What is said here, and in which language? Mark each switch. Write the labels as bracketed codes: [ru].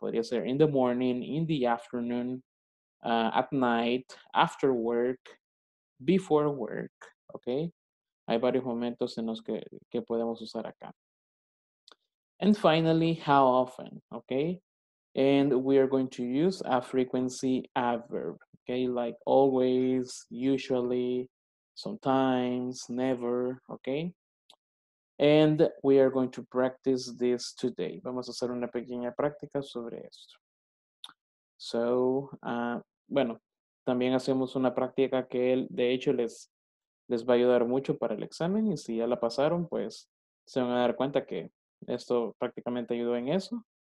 [es] Podría ser [en] in the morning, in the afternoon, at night, after work, before work. Okay? [es] Hay varios momentos en los que podemos usar acá. [en] And finally, how often? Okay? And we are going to use a frequency adverb, okay? Like always, usually, sometimes, never, okay? And we are going to practice this today. [es] Vamos a hacer una pequeña práctica sobre esto. [en] So, [es] bueno, también hacemos una práctica que de hecho les va a ayudar mucho para el examen. Y si ya la pasaron, pues se van a dar cuenta que esto prácticamente ayudó en eso.